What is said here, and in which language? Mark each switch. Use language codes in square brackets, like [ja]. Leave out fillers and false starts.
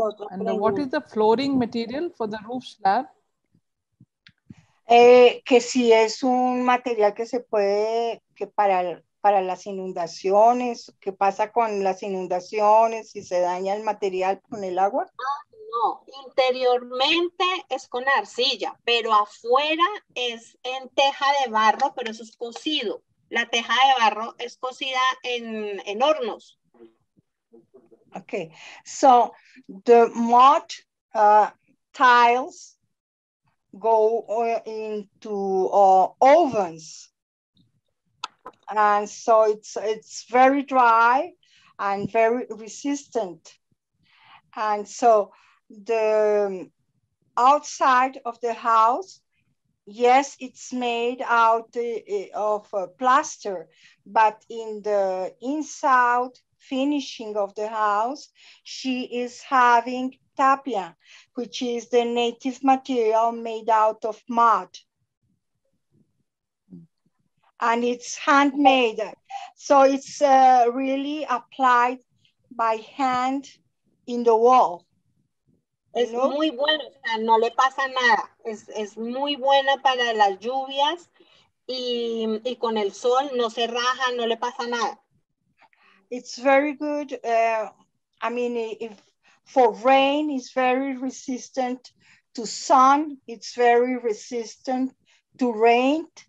[en] And what is the flooring material for the roof slab? [es] Que si es un material que se puede, que para las inundaciones, ¿qué pasa con las inundaciones? Si se daña el material con el agua. No, interiormente es con arcilla, pero afuera es en teja de barro, pero eso es cocido. La teja de barro es cocida en hornos. [en] Okay, so the mud tiles go into ovens, and so it's very dry and very resistant, and so the outside of the house, yes, it's made out of plaster, but in the inside finishing of the house, she is having tapia, which is the native material made out of mud. And it's handmade. So it's really applied by hand in the wall. [es] Es muy bueno, o sea, no le pasa nada. Es muy buena para las lluvias y con el sol no se raja, no le pasa nada. [en] It's very good. I mean, if for rain, it's very resistant to sun. It's very resistant to rain.